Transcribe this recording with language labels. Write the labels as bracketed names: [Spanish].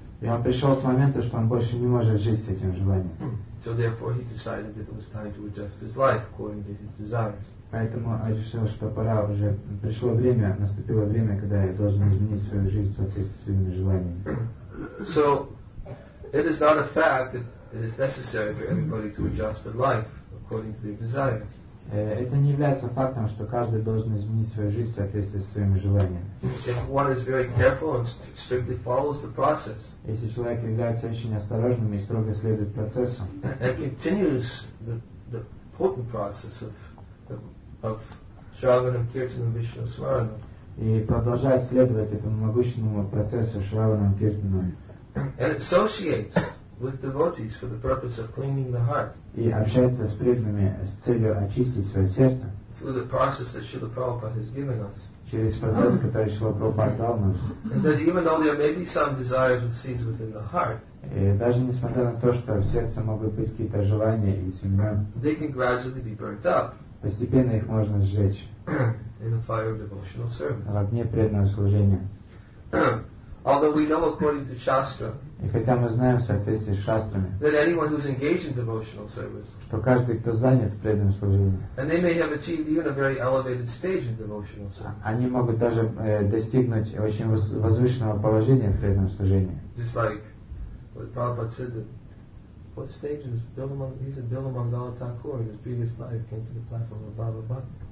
[Russian] И он пришел к моменту, что он больше не может жить с этим желанием. [English] So therefore he decided that it was time to adjust his life according to his desires. [Russian] Поэтому я решил, что пора уже, пришло время, наступило время, когда я должен изменить свою жизнь в соответствии с своими желаниями. [English] So it is not a fact that it is necessary for everybody to adjust their life according to their desires. [Russian] Это не является фактом, что каждый должен изменить свою жизнь в соответствии со своими желаниями. [English] If one is very careful and strictly follows the process, [Russian] если человек является очень осторожным и строго следует процессу, [English] and continues the potent process of Shravanam, Kirtanam, Vishnu, Smaranam, [Russian] и продолжает следовать этому могущественному процессу Shravanam, Kirtanam, [English] and associates with devotees for the purpose of cleaning the heart. [Russian] И общается с преданными с целью очистить свое сердце. [English] Through the process that Srila Prabhupada has given us. [Russian] Через процесс, который Srila Prabhupada дал нам. [English] And that even though there may be some desires and seeds within the heart, [Russian] и даже несмотря на то, что в сердце могут быть какие-то желания и семена, [English] they can gradually be burnt up. [Russian] Постепенно их можно сжечь. [English] In the fire of devotional service. [Russian] В огне преданного служения. [English] Although we know according to Shastra, [Russian] и хотя мы знаем в соответствии с шастрами, [English] that anyone who is engaged in devotional service, [Russian] что каждый, кто занят в преданном служении, [English] and they may have achieved even a very elevated stage in devotional service, [Russian] они могут даже достигнуть очень возвышенного положения в преданном служении. [English] Just like what Prabhupada said, that what stage is Bilamangala, he's a Bilamangala Thakur in his previous life came to the platform of Baba Bhakti.